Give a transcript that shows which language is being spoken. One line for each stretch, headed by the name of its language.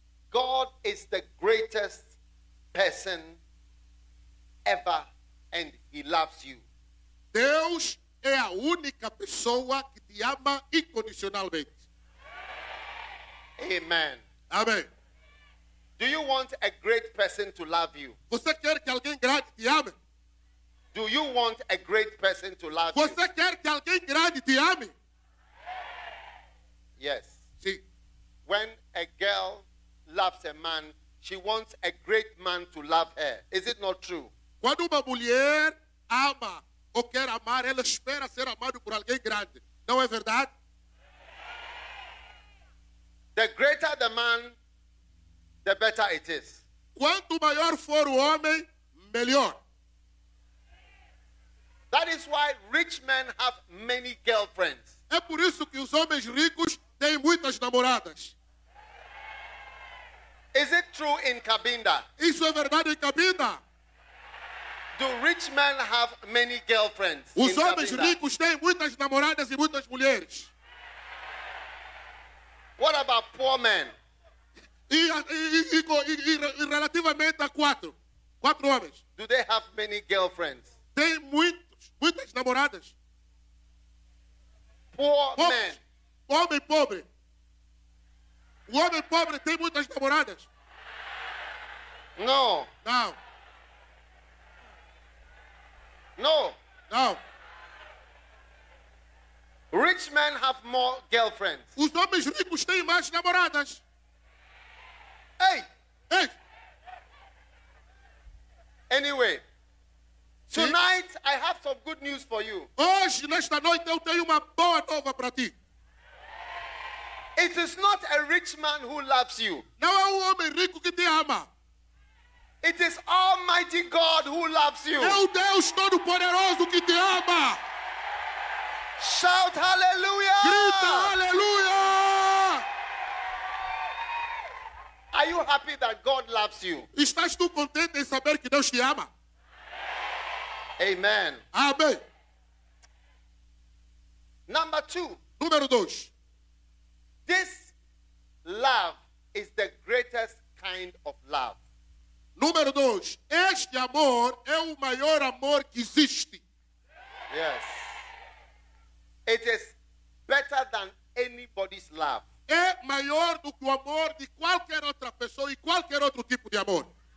English: God is the greatest person ever, and He loves you.
Portuguese: Deus é a única pessoa que te ama incondicionalmente.
English: Amen.
Portuguese: Amém.
English: Do you want a great person to love you?
Portuguese: Você quer que alguém grande te ame?
English: Do you want a great person to love
Portuguese: Você
English: you?
Portuguese: Você quer que alguém grande te ame?
English: Yes.
Portuguese: Sim.
English: When a girl loves a man, She wants a great man to love her. Is it not true?
Portuguese: Quando uma mulher ama ou quer amar, ela espera ser amada por alguém grande. Não é verdade?
English: The greater the man, the better it is.
Portuguese: Quanto maior for o homem, melhor.
English: That is why rich men have many girlfriends.
Portuguese: É por isso que os homens ricos têm muitas namoradas.
English: Is it true in Cabinda?
Portuguese: Isso é verdade em Cabinda?
English: Do rich men have many girlfriends?
Portuguese: Os homens ricos têm muitas namoradas e muitas mulheres.
English: What about poor men?
Portuguese: E relativamente a quatro homens.
English: Do they have many girlfriends?
Portuguese: Tem muitas namoradas.
English: Poor men.
Portuguese: Homem pobre. O homem pobre tem muitas namoradas.
English: No.
Portuguese: Não.
English: No.
Portuguese: Não.
English: Rich men have more girlfriends.
Portuguese: Os homens ricos têm mais namoradas. Hey. Hey.
English: Anyway. Tonight I have some good news for you.
Portuguese: Hoje, nesta noite, eu tenho uma boa nova para ti.
English: It is not a rich man who loves you.
Portuguese: Não é homem rico que te ama.
English: It is Almighty God who loves you.
Portuguese: É Deus Todo-Poderoso que te ama.
English: Shout hallelujah!
Portuguese: Grita hallelujah!
English: Are you happy that God loves you?
Portuguese: Estás tu contente em saber que Deus te ama?
English: Amen.
Portuguese: Amém.
English: Number two.
Portuguese: Número dois.
English: This love is the greatest kind of love.
Portuguese: Número dois. Este amor é o maior amor que existe.
English: Yes. It is better than anybody's love.
Portuguese: É maior do que o amor de qualquer outra pessoa e qualquer outro tipo de amor.